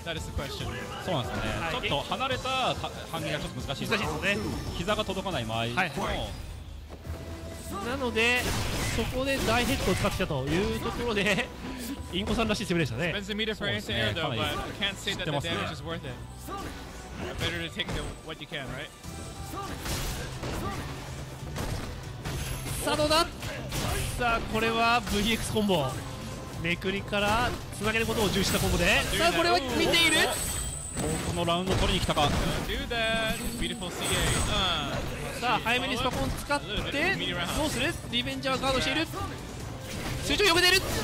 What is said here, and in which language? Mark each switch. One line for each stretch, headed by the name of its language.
Japanese: そうなんですね、はい、ちょっと離れた反撃がちょっと難しい、難しいですね、膝が届かない場合も、はいはい、なのでそこで大ヘッドを使ってきたというところでインコさんらしい攻めでしたね。そうですね、かなり知ってますね。
English: Better to take the what you can, right?
Japanese: さあどうだ。さあこれは VX コンボ、めくりからつなげることを重視したコンボで、さあこれは見ている、もうこのラウンド取りに来たか。さあ早めにスパコン使ってどうする、リベンジャーガードしている、水中呼べている。